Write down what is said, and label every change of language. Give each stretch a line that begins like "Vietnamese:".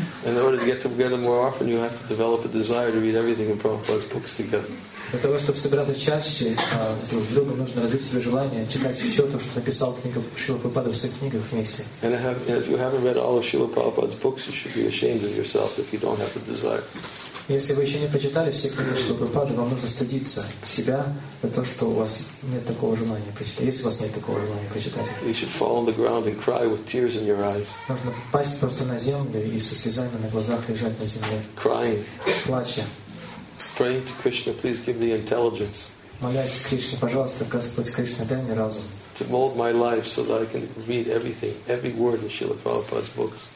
English: In order to get together more often, you have to develop a desire to read everything in Prabhupada's books together.
Russian: Для того, чтобы собираться чаще друг с другом, нужно развить свое желание читать все то, что написал Шрила Прабхупада в своих книгах вместе.
English: And if you haven't read all of Srila Prabhupada's books, you should be ashamed of yourself if you don't have the desire.
Russian: Если вы еще не прочитали все книги Шрила Прабхупада, вам нужно стыдиться себя за то, что у вас нет такого желания прочитать. Если у вас нет такого желания прочитать,
English: you should fall on the ground and cry with tears in your eyes.
Russian: Нужно пасть просто на землю и со слезами на глазах лежать на земле.
English: Crying.
Russian: Плача.
English: Praying to Krishna, please give me intelligence.
Russian: Молясь Кришне, пожалуйста, Господь Кришна, дай мне разум.
English: To mold my life so that I can read everything, every word in Srila Prabhupada's books.